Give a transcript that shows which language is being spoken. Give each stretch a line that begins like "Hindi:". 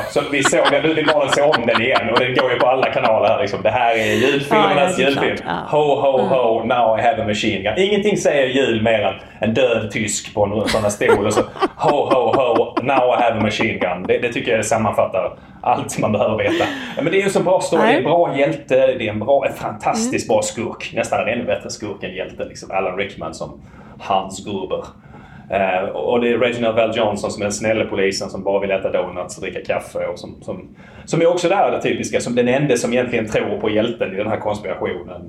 Swedish: Vi såg den, nu vill barnen se om den igen, och den går ju på alla kanaler här. Liksom. Det här är julfilmernas julfilm. Ja.
English: Ho, ho, ho, now I have a machine gun.
Swedish: Ingenting säger jul mer än en död tysk på en sån här stol. Och så,
English: ho, ho, ho, now I have a machine gun.
Swedish: Det tycker jag sammanfattar allt man behöver veta. Men det är ju så bra story, det är en bra hjälte, det är en fantastiskt bra skurk. Nästan en ännu bättre skurk än hjälte, liksom Alan Rickman som Hans Gruber. Och det är Reginald Val Johnson som är den snälla polisen som bara vill äta donuts och dricka kaffe och som är också där, det typiska, som den enda som egentligen tror på hjälten i den här konspirationen.